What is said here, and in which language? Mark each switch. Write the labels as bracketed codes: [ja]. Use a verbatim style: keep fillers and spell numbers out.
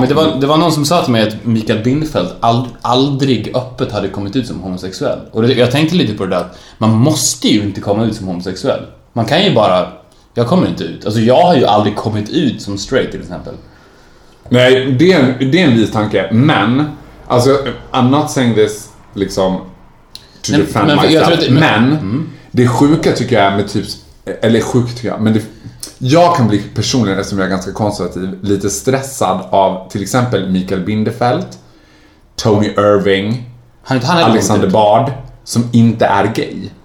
[sv] Men det var, det var någon som sa till mig att Mikael Bindfeldt ald, aldrig öppet hade kommit ut som homosexuell. Och det, jag tänkte lite på det där att man måste ju inte komma ut som homosexuell. Man kan ju bara, jag kommer inte ut. Alltså jag har ju aldrig kommit ut som straight till exempel. Nej, det är, en, det är en vis tanke. Men, alltså, [en] I'm not saying this [sv] liksom [en] to [sv] nej, [en] defend [sv] men, [en] myself [sv] det, men, men mm. det sjuka tycker jag är med typ, eller sjukt tycker jag, men det, jag kan bli personligen, eftersom jag är ganska konservativ, lite stressad av till exempel Mikael Bindefeld, Tony Irving, han, han Alexander Bard, som inte är gay.